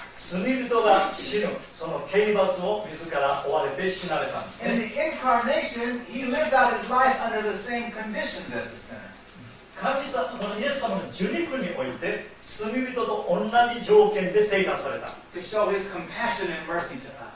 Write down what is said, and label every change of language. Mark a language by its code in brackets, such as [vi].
[ja] 罪人が死ぬ、その刑罰を自ら追われて死なれたんです。 [en] In the incarnation, he lived out his life under the same conditions as the sinner. [ja] 神様、このイエス様の受肉において、罪人と同じ条件で生活された。 [en] To show his compassion and mercy to us.